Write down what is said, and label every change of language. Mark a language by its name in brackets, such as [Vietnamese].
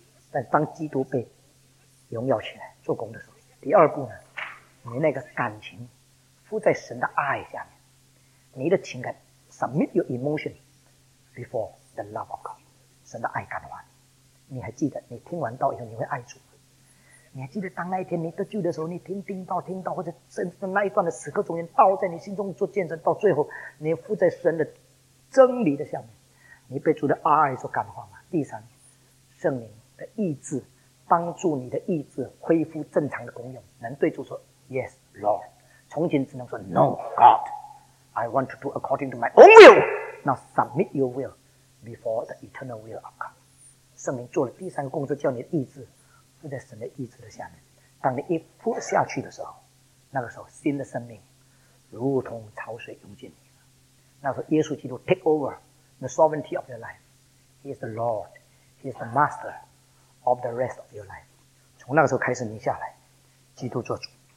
[Chinese] 但当基督被荣耀起来做工的时候，第二步呢，你那个感情附在神的爱下面，你的情感 [English] submit your emotion before the love of God， [Chinese] 神的爱感化你。你还记得你听完道以后你会爱主，你还记得当那一天你得救的时候，你听到或者甚至那一段的时刻中间，道在你心中做见证，到最后你附在神的真理的下面，你被主的爱所感化吗？第三，圣灵的意志帮助你的意志恢复正常的功用，能对主说 [English] Yes Lord， 从前只能说 No God， I want to do according to my own will， Now submit your will before the eternal will of God。 [Chinese] 圣灵做了第三个工作，叫你的意志附在神的意志的下面，当你一附下去的时候，那个时候新的生命如同潮水涌进你，那时候耶稣基督 [English] take over the sovereignty of your life， He is the Lord， He is the masterOf the rest of your life， [Chinese] 从那个时候开始，你下来，基督做主。